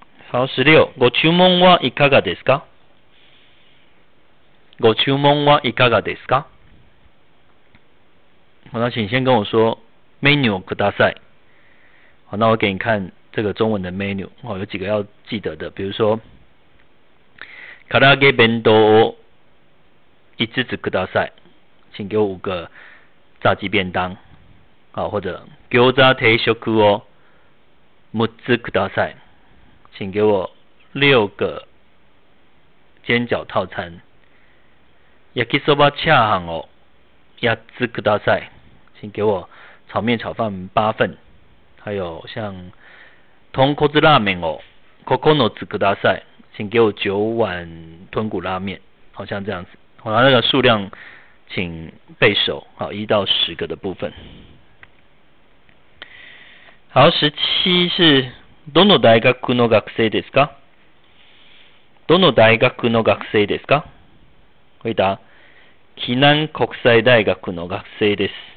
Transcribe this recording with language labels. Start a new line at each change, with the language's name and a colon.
Japanese: 好，十六，ご注文はいかがですか？ご注文はいかがですか？
Chinese: 好，那请先跟我说 menu ください。好，那我给你看这个中文的 menu。好，有几个要记得的，比如说。
Japanese: 唐揚げ弁当を5つください。
Chinese: 请给我5个炸鸡便当。好，或者
Japanese: 餃子定食を6つください。
Chinese: 请给我6个煎饺套餐。
Japanese: 焼きそばチャーハンを8つください。
Chinese: 请给我炒面炒饭8份。还有像
Japanese: 豚骨ラーメンを9つください。
Chinese: 请给我9碗豚骨拉面，好像这样子。好，那个数量请背熟，好，1到10个的部分。好，17是
Japanese: どの大学の学生ですか？どの大学の学生ですか？回答：暨南国際大学の学生です。